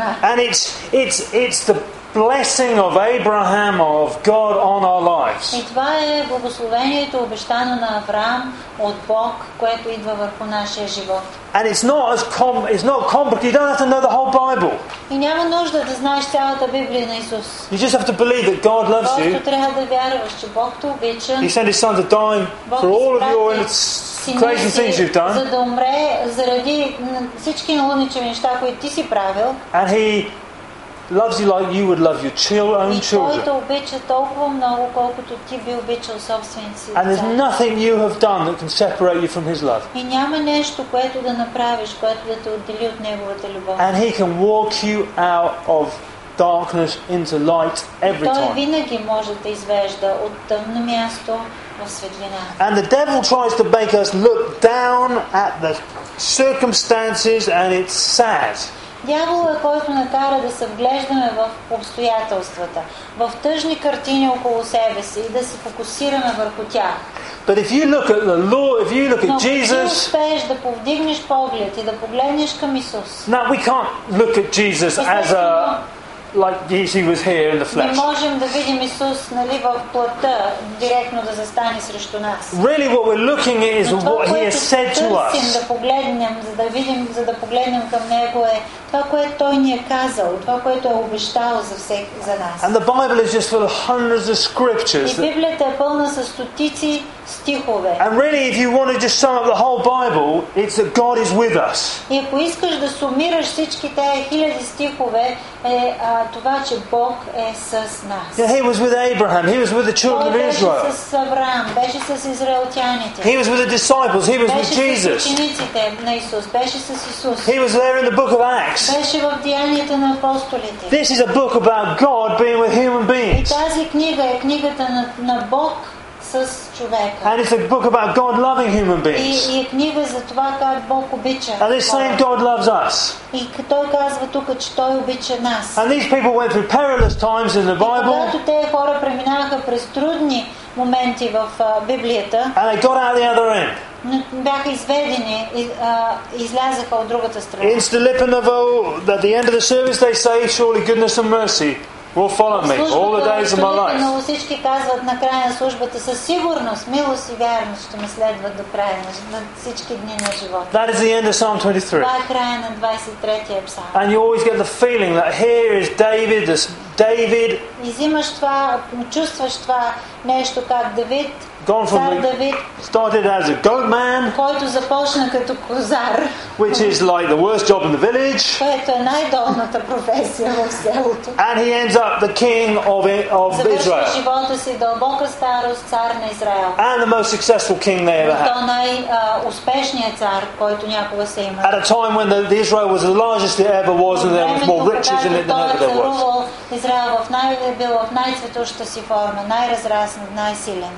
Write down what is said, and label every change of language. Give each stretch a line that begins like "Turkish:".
English: And it's the blessing of Abraham, of God on our lives.
Bulgarian: И това е благословението, обещано на Авраам от Бог, което идва върху нашия живот.
English: And it's not complicated. You don't have to know the whole Bible.
Bulgarian: И няма нужда да знаеш цялата Библия на Исус.
English: You just have to believe that God loves you.
Bulgarian: Просто трябва да вярваш, че Бог те обича.
English: He sent His Son to die for all of your crazy things you've done.
Bulgarian: За да умре заради всички лудничави неща, които ти си правил.
English: And He loves you like you would love your own children.
Bulgarian: И той те обича толкова много, колкото ти би обичал собствените си деца.
English: And there's nothing you have done that can separate you from His love.
Bulgarian: И няма нещо, което да направиш, което да те отдели от Неговата любов.
English: And He can walk you out of darkness into light every time.
Bulgarian: Той винаги може да извежда от тъмно място в светлина.
English: And the devil tries to make us look down at the circumstances, and it's sad.
Bulgarian: Дяволът, който накара да се вглеждаме в обстоятелствата, в тъжни картини около себе си и да се фокусираме върху тях.
English: But if you look at the law, if you look at Jesus,
Bulgarian: но ако ти успееш да повдигнеш поглед и да погледнеш към Исус.
English: Now we can't look at Jesus as a like he was here in the flesh.
Bulgarian: Не можем да видим Исус, нали, в плътта, директно да застане срещу нас.
English: Really what we're looking at is what he has said to us.
Bulgarian: Да погледнем, за да видим, за да погледнем към него е това, което той ни е казал, това, което е обещал за всеки, за нас.
English: And the Bible is just full of hundreds of scriptures.
Bulgarian: И Библията е пълна със стотици стихове.
English: And really if you want to just sum up the whole Bible, it's that God is with us.
Bulgarian: И ако искаш да сумираш всички тези хиляди стихове, е това, че Бог е с нас.
English: Yeah, he was with Abraham. He was with the children of Israel.
Bulgarian: Той беше с Авраам, беше с израелтяните.
English: He was with the disciples. He was with Jesus.
Bulgarian: Беше с учениците на Исус. Беше с Исус.
English: He was there in the book of Acts.
Bulgarian: Беше в Деянията на апостолите.
English: This is a book about God being with human beings.
Bulgarian: И тази книга е книгата на Бог с човека.
English: And it's a book about God loving human beings.
Bulgarian: И книга за това как Бог обича.
English: And it's saying God loves us.
Bulgarian: И той казва тук, че той обича нас.
English: And these people went through perilous times in the Bible.
Bulgarian: Когато тези хора преминаваха през трудни моменти в Библията.
English: And they got out the other end.
Bulgarian: Бяха изведени, излязаха от другата страна.
English: In Stilipinovo, at the end of the service, they say, surely goodness and mercy will follow me all the days of my life.
Bulgarian: Но всички казват на края на службата със сигурност, милост и вярност ще ме следват до края на всички дни на живота.
English: That is the end of Psalm 23.
Bulgarian: Това е края на 23-я псалм.
English: And you always get the feeling that here is David, this David.
Bulgarian: Изимаш това, чувстваш това нещо как Давид.
English: Gone from David, started as a goat man,
Bulgarian: който започна като козар,
English: which is like the worst job in the village,
Bulgarian: което е най-долната професия в селото,
English: and he ends up the king of Israel,
Bulgarian: завършва живота си дълбока старост, цар на Израел,
English: and the most successful king they ever had,
Bulgarian: най-успешният цар, който някога се има,
English: at a time when the Israel was the largest it ever was, and there was more riches in it than ever there was.
Bulgarian: Израел било в най-цветущата си форма, най-разраснат, най-силен.